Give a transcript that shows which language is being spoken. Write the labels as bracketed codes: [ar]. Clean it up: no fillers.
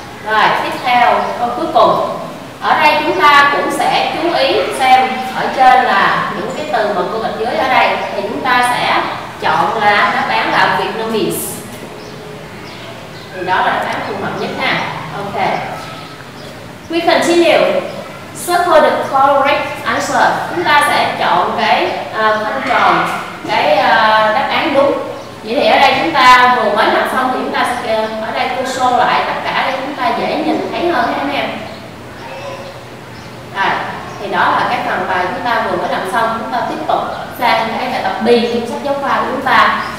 [vi] Rồi tiếp theo câu cuối cùng. Ở đây chúng ta cũng sẽ chú ý xem ở trên là những cái từ mà cô gạch dưới ở đây thì chúng ta sẽ chọn là đáp án là Vietnamese. Thì đó là đáp án phù hợp nhất ha. [en] Okay. We continue. Circle the correct answer. [vi] Chúng ta sẽ chọn cái phân tròn, cái đáp án đúng. Vậy thì ở đây chúng ta vừa mới làm xong thì chúng ta sẽ ở đây cô show lại tất cả để chúng ta dễ nhìn thấy hơn các em. Rồi, thì đó là cái phần bài chúng ta vừa mới làm xong. Chúng ta tiếp tục sang cái bài tập B trong sách giáo khoa của chúng ta.